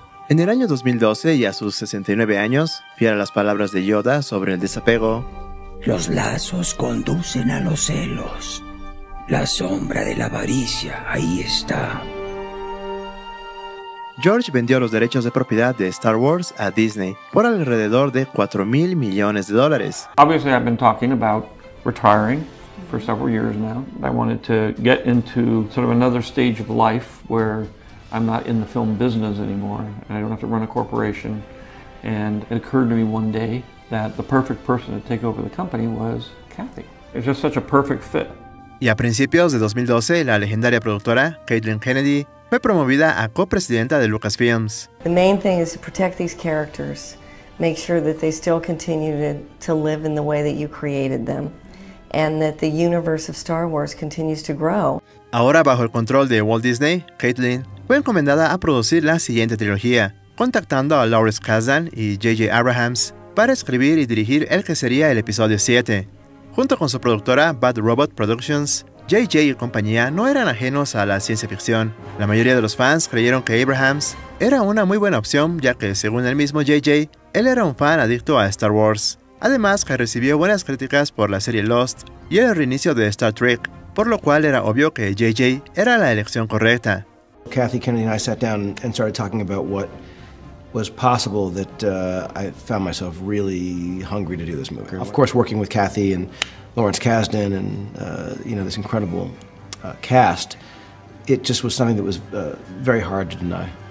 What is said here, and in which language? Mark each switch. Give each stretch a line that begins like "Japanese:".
Spanish: En el año 2012 y a sus 69 años, fiel a las palabras de Yoda sobre el desapego: los lazos conducen a los celos. La sombra de la avaricia, ahí está. George vendió los derechos de propiedad de Star Wars a Disney por alrededor de $4,000 millones.
English: Obviously, I've been talking about retiring for several years now. I wanted to get into sort of another stage of life where I'm not in the film business anymore and I don't have to run a corporation. And it occurred to me one day that the perfect person to take over the company was Kathy. It's just such a perfect fit.
Spanish: Y a principios de 2012, la legendaria productora Kathleen Kennedy fue promovida a copresidenta de Lucasfilms.
English: The main thing is to protect these characters, make sure that they still continue to live in the way that you created them, and that the universe of Star Wars continues to grow.
Spanish: Ahora bajo el control de Walt Disney, Kathleen fue encomendada a producir la siguiente trilogía, contactando a Lawrence Kasdan y J.J. Abrahams para escribir y dirigir el que sería el episodio 7. Junto con su productora Bad Robot Productions, J.J. y compañía no eran ajenos a la ciencia ficción. La mayoría de los fans creyeron que Abrahams era una muy buena opción, ya que según el mismo J.J., él era un fan adicto a Star Wars. Además, que recibió buenas críticas por la serie Lost y el reinicio de Star Trek, por lo cual era obvio que J.J. era la elección correcta.
English: Kathy Kennedy and I sat down and started talking about what was possible that I found myself really hungry to do this movie. Of course, working with Kathy and Lawrence Kasdan and you know, this incredible cast, it just was something that was very hard to deny.